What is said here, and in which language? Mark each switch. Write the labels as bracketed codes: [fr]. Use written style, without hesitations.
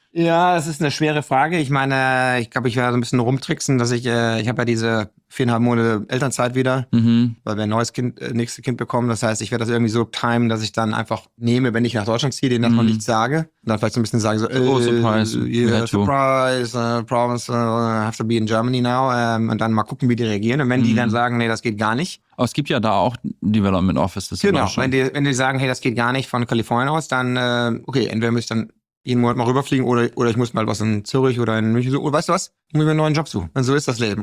[de] Ja, das ist eine schwere Frage. Ich meine, ich glaube, ich werde ein bisschen rumtricksen, dass ich habe ja diese 4,5 Monate Elternzeit wieder, weil wir ein neues Kind, nächstes Kind bekommen. Das heißt, ich werde das irgendwie so timen, dass ich dann einfach nehme, wenn ich nach Deutschland ziehe, denen das noch nicht sage. Und dann vielleicht so ein bisschen sage, so, [en] surprise, have to be in Germany now. [de] Und dann mal gucken, wie die reagieren. Und wenn die dann sagen, nee, das geht gar nicht. Aber es gibt ja da auch Development Offices. Genau, wenn die sagen, hey, das geht gar nicht von Kalifornien aus, dann, okay, entweder müsste ich dann jeden Monat mal rüberfliegen oder ich muss mal was in Zürich oder in München suchen. Oder weißt du was? Ich muss mir einen neuen Job suchen. Und so ist das Leben.